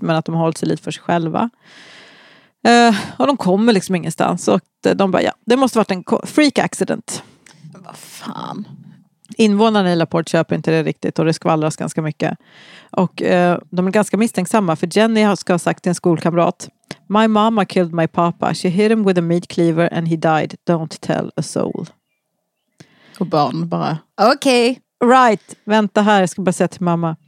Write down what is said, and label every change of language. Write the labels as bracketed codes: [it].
[sv] Men att de har hållit sig lite för sig själva. Och de kommer liksom ingenstans. Och de bara, ja, det måste ha varit en [en] freak accident. [sv] Vad fan. Invånarna i Laport köper inte det riktigt. Och det skvallras ganska mycket. Och de är ganska misstänksamma. För Jenny ska ha sagt till en skolkamrat: [en] my mama killed my papa. She hit him with a meat cleaver and he died. Don't tell a soul. [sv] Och barn bara, okej. [en] Okay. [sv] Right, vänta här, jag ska bara säga till mamma.